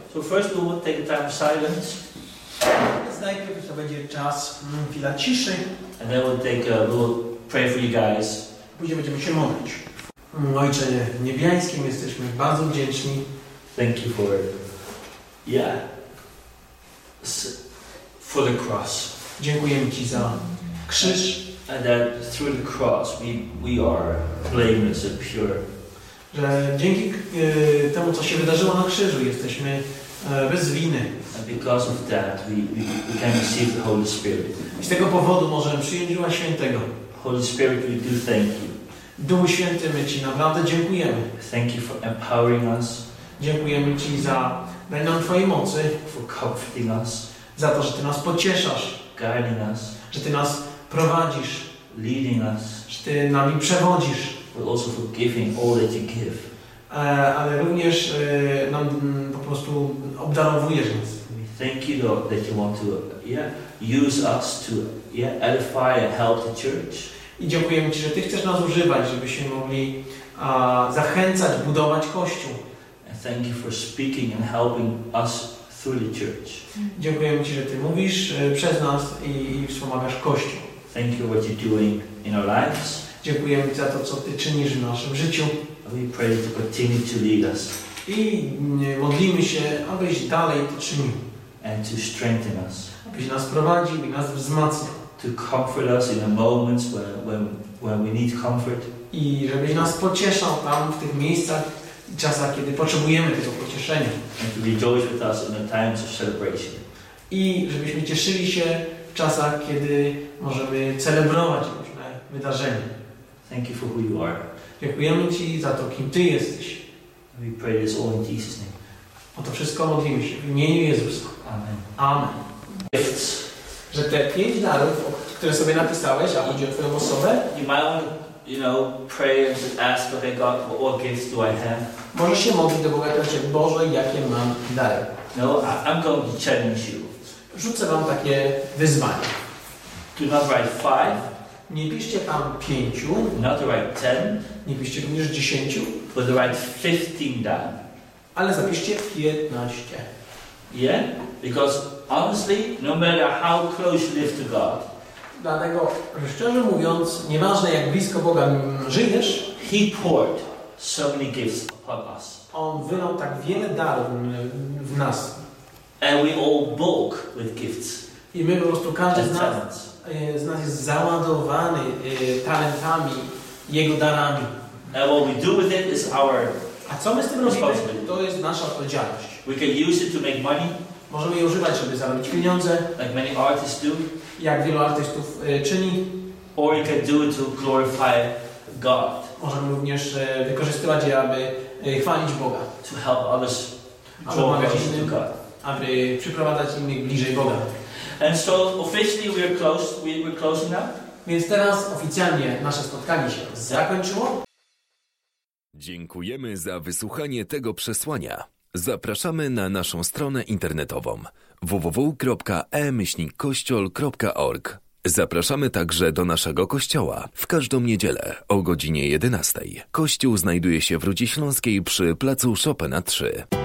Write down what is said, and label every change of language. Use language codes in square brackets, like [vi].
[en] So first we will take a time of silence. [pl] Więc najpierw to będzie czas, chwila ciszy. [en] And then we'll pray for you guys. [pl] Później będziemy się modlić. Ojcze niebiańskim, jesteśmy bardzo wdzięczni. [en] Thank you for for the cross. [pl] Dziękujemy Ci za krzyż. [en] And that through the cross we are blameless and pure. [pl] Że dzięki temu, co się wydarzyło na krzyżu, jesteśmy bez winy. [en] And because of that we can receive the Holy Spirit. [pl] I z tego powodu możemy przyjąć Ducha Świętego. [en] Holy Spirit, we do thank you. [pl] Duchu Święty, my Ci naprawdę dziękujemy. [en] Thank you for empowering us. [pl] Dziękujemy Ci za daj nam Twojej mocy. [en] For comforting us. [pl] Za to, że Ty nas pocieszasz. [en] Guiding us. [pl] Że Ty nas prowadzisz. [en] Leading us. [pl] Że Ty nami przewodzisz. [en] But also for giving all that you give. [pl] Ale również nam po prostu obdarowujesz nas. [en] We thank you, Lord, that you want to use us to edify and help the church. [pl] I dziękujemy Ci, że Ty chcesz nas używać, żebyśmy mogli zachęcać, budować Kościół. [en] And thank you for speaking and helping us through the church. [pl] Dziękujemy Ci, że Ty mówisz przez nas i wspomagasz Kościół. [en] Thank you for what you're doing in our lives. [pl] Dziękujemy Ci za to, co Ty czynisz w naszym życiu. [en] We pray to continue to lead us. [pl] I modlimy się, abyś dalej to czynił. [en] And to strengthen us. [pl] Abyś nas prowadził i nas wzmacniał. [en] To comfort us in the moments when we need comfort. [pl] I żebyś nas pocieszał tam w tych miejscach i czasach, kiedy potrzebujemy tego pocieszenia. [en] And to rejoice with us in the times of celebration. [pl] I żebyśmy cieszyli się w czasach, kiedy możemy celebrować różne wydarzenia. [en] Thank you for who you are. [pl] Dziękujemy Ci za to, kim Ty jesteś. [en] We pray this all in Jesus' name. [pl] O to wszystko modlimy się w imieniu Jezusa. [en] Amen. [pl] Amen. [en] Gifts. [pl] Że te pięć darów, które sobie napisałeś, a chodzi o Twoją osobę, [en] you might want to, you know, pray and ask, okay, God, what gifts do I have? [pl] Możesz się modlić do Boga, powiedzieć, Boże, jakie mam dary. [en] No, I'm going to challenge you. [pl] Rzucę Wam takie wyzwanie. [en] Do not write five. [pl] Nie piszcie tam pięciu. [en] Not write ten. [pl] Nie piszcie również dziesięciu. [en] But write 15 down. [pl] Ale zapiszcie 15. [en] Yeah? Because honestly, no matter how close you live to God. [pl] Dlatego, szczerze mówiąc, nieważne jak blisko Boga żyjesz, [en] He poured so many gifts upon us. [pl] On wylał tak wiele darów w nas. [en] And we all bulk with gifts. [pl] I my po prostu każdy z nas jest załadowany talentami, Jego darami. [en] And what we do with it is our responsibility. [pl] To jest nasza odpowiedzialność. [en] We can use it to make money. [pl] Możemy je używać, żeby zarobić pieniądze. [en] Like many artists do. [pl] Jak wielu artystów czyni. [en] Or you can do it to glorify God. [pl] Możemy również wykorzystywać je, aby chwalić Boga. [en] To help others [pl] pomagać innym, aby przyprowadzać innych bliżej Boga. [en] And so officially we are closed. We're closing up. [pl] Więc teraz oficjalnie nasze spotkanie się zakończyło. Dziękujemy za wysłuchanie tego przesłania. Zapraszamy na naszą stronę internetową www.e-kościol.org. Zapraszamy także do naszego kościoła w każdą niedzielę o godzinie 11. Kościół znajduje się w Rudzie Śląskiej przy placu Chopina 3.